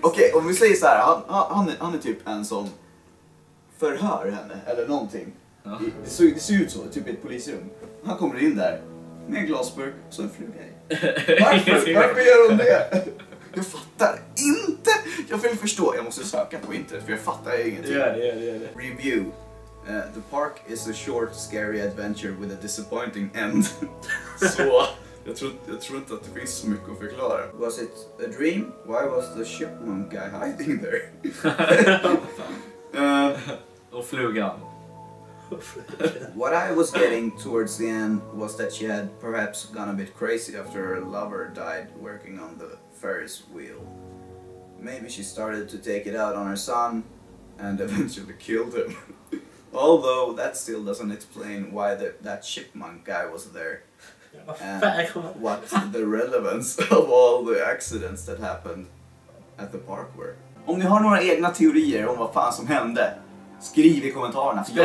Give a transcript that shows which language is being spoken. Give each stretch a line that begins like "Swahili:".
Swedish: Okej, om vi säger så här, han är typ en som förhör henne eller någonting. Ja. Det ser ut så, typ ett polisrum. Han kommer in där med en glasburk och så en fluga i. Varför? Varför gör hon det? Jag fattar inte! Jag vill förstå, jag måste söka på internet för jag fattar ingenting. Ja.
English: Review. The park is a short, scary adventure with a disappointing end.
Swedish: Så, jag tror inte att det finns så mycket att förklara.
English: Was it a dream? Why was the chipmunk guy hiding there?
Swedish: Och flugan.
English: What I was getting towards the end was that she had perhaps gone a bit crazy after her lover died working on the Ferris wheel. Maybe she started to take it out on her son and eventually killed him. Although that still doesn't explain why that chipmunk guy was there. And what the relevance of all the accidents that happened at the park were.
Swedish: Om ni har några egna teorier om vad fan som hände, skriv i kommentarerna.